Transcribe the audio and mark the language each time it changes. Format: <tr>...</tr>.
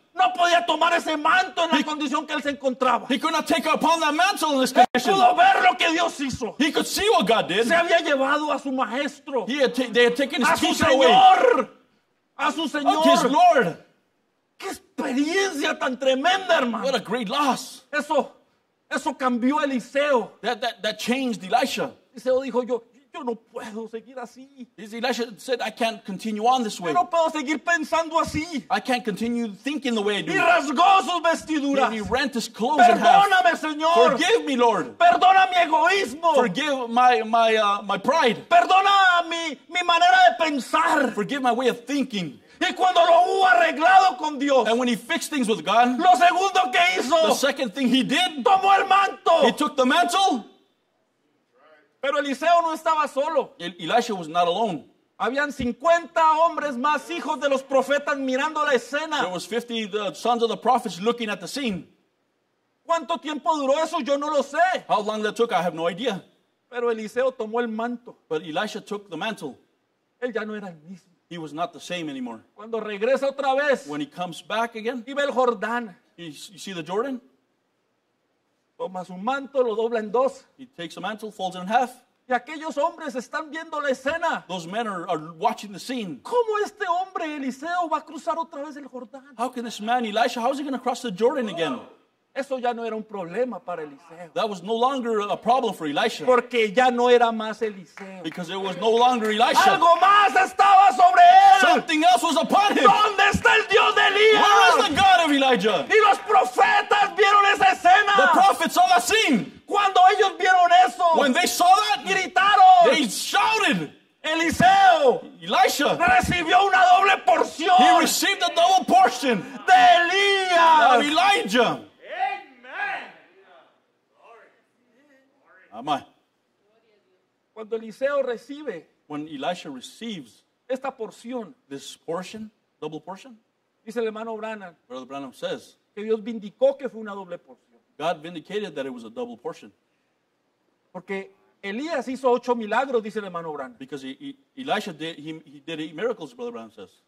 <es>No podía tomar ese manto en la condición que él se encontraba.</es> <en>He could not take upon that mantle in this condition.</en> <es>Pudo ver lo que Dios hizo.</es> <en>He could see what God did.</en> <es>Se había llevado a su maestro.</es> <en>They had taken his teacher away.</en> <es>A su señor.</es> <en>Of his Lord.</en> <es>Qué experiencia tan tremenda, hermano.</es> <en>What a great loss.</en> <es>Eso cambió a Eliseo.</es> <en>That changed Elisha.</en> <es>Eliseo dijo yo no puedo seguir así.</es> <en>His Elisha said, I can't continue on this way.</en> <es>Yo no puedo seguir pensando así.</es> <en>I can't continue thinking the way I do.</en> <es>Y rasgó sus vestiduras.</es> <en>And he rent his clothes.</en> <es>Perdóname,</es> <en>in half.</en> <es>Señor.</es> <en>Forgive me, Lord.</en> <es>Perdona mi egoísmo.</es> <en>Forgive my pride.</en> <es>Perdona mi manera de pensar.</es> <en>Forgive my way of thinking.</en> <es>Y cuando lo hubo arreglado con Dios.</es> <en>And when he fixed things with God.</en> <es>Lo segundo que hizo.</es> <en>The second thing he did.</en> <es>Tomó el manto.</es> <en>He took the mantle.</en> <es>Pero Eliseo no estaba solo.</es> <en>Elisha was not alone.</en> <es>Habían 50 hombres más, hijos de los profetas, mirando la escena.</es> <en>There was 50 the sons of the prophets looking at the scene.</en> <es>¿Cuánto tiempo duró eso? Yo no lo sé.</es> <en>How long that took, I have no idea.</en> <es>Pero Eliseo tomó el manto.</es> <en>But Elisha took the mantle.</en> <es>Él ya no era el mismo.</es> <en>He was not the same anymore.</en> <es>Cuando regresa otra vez.</es> <en>When he comes back again.</en> <es>Y ve el Jordán.</es> <en>You see the Jordan?</en> <es>Toma su manto, lo dobla en dos.</es> <en>He takes a mantle, folds it in half.</en> <es>Y aquellos hombres están viendo la escena.</es> <en>Those men are watching the scene.</en> <es>¿Cómo este hombre, Eliseo, va a cruzar otra vez el Jordán?</es> <en>How can this man, Elisha, how is he going to cross the Jordan again?</en> <es>Eso ya no era un problema para Eliseo.</es> <en>That was no longer a problem for Elisha.</en> <es>Porque ya no era más Eliseo.</es> <en>Because it was no longer Elisha.</en> <es>Algo más estaba sobre él.</es> <en>Something else was upon him.</en> <es>¿Dónde está el Dios de Elías?</es> <en>Where is the God of Elijah?</en> <es>Y los profetas vieron esa escena.</es> <en>The prophets saw that scene.</en> <es>Cuando ellos vieron eso.</es> <en>When they saw that.</en> <es>Gritaron.</es> <en>They shouted.</en> <es>Eliseo.</es> <en>Elisha.</en> <es>Recibió una doble porción.</es> <en>He received a double portion.</en> <es>De Elías.</es> <en>Of Elijah.</en> <es>Cuando Eliseo recibe,</es> <en>when Elisha receives</en> <es>esta porción,</es> <en>this portion, double portion,</en> <es>dice el hermano Branham,</es> <en>Brother Branham says,</en> <es>que Dios vindicó que fue una doble porción.</es> <en>God vindicated that it was a double portion.</en> <es>Porque Elías hizo 8 milagros, dice el hermano Branham.</es> <en>Because Elisha did he did 8 miracles, Brother Branham says.</en>